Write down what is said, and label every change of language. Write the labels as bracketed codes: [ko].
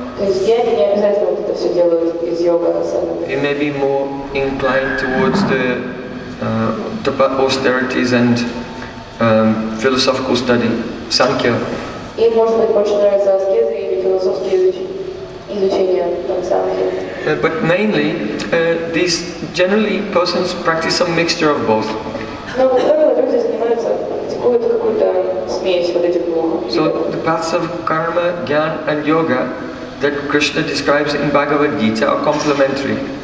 [ru] То есть Jnani не обязательно вот это все делает из йога асаны. [en] He may be more inclined towards the tapa austerities and philosophical study, Sankhya. [ru] И может быть больше нравятся аскезы или философские изучения там Sankhya. [en] But mainly, these generally persons practice some mixture of both. So the paths of karma, jnana and yoga that Krishna describes in Bhagavad Gita are complementary.